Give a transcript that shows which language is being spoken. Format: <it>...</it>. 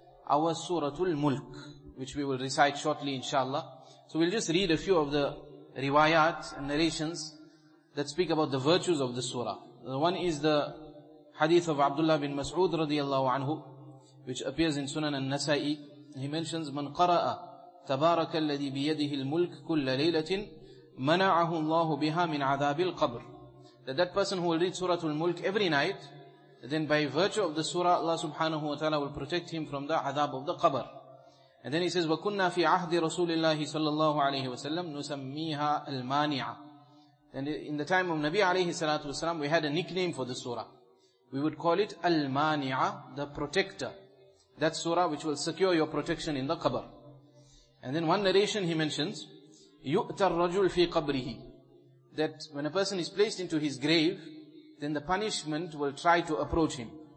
<en>Our suratul mulk, which we will recite shortly inshallah. So we'll just read a few of the riwayat and narrations that speak about the virtues of the surah. The one is the hadith of Abdullah bin Mas'ud radiallahu anhu, which appears in Sunan al-Nasa'i. He mentions,</en> <ar>من قرأ تبارك الذي بيده الملك كل ليلة منعه الله بها من عذاب القبر.</ar> <en>That person who will read Surah al-Mulk every night, then by virtue of the surah, Allah subhanahu wa ta'ala will protect him from the azab of the qabr. And then he says,</en> <ar>وَكُنَّا فِي عَهْدِ رَسُولِ اللَّهِ صَلَّى اللَّهُ عَلَيْهِ وَسَلَّمُ نُسَمِّيهَا الْمَانِعَ.</ar> <en>Then in the time of Nabi alayhi salatu wasalam, we had a nickname for the surah. We would call it Al-Mani'a, the protector. That surah which will secure your protection in the qabr. And then one narration he mentions,</en> <ar>يُؤْتَ الرَّجُلْ فِي قَبْرِهِ,</ar> <en>that when a person is placed into his grave, then the punishment will try to approach him.</en>